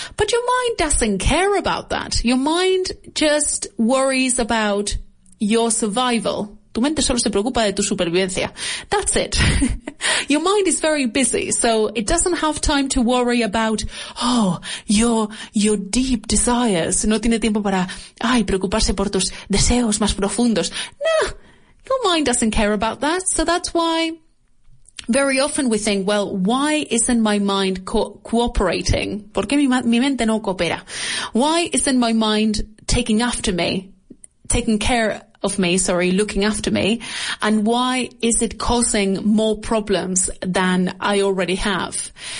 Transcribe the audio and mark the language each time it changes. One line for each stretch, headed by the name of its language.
English: But your mind doesn't care about that. Your mind just worries about your survival.
Spanish: Tu mente solo se preocupa de tu supervivencia.
English: That's it. Your mind is very busy, so it doesn't have time to worry about, oh, your deep desires.
Spanish: No tiene tiempo para, ay, preocuparse por tus deseos más profundos.
English: No. Your mind doesn't care about that, so that's why very often we think, well, why isn't my mind cooperating?
Spanish: ¿Por qué mi mente no coopera?
English: Why isn't my mind looking after me? And why is it causing more problems than I already have?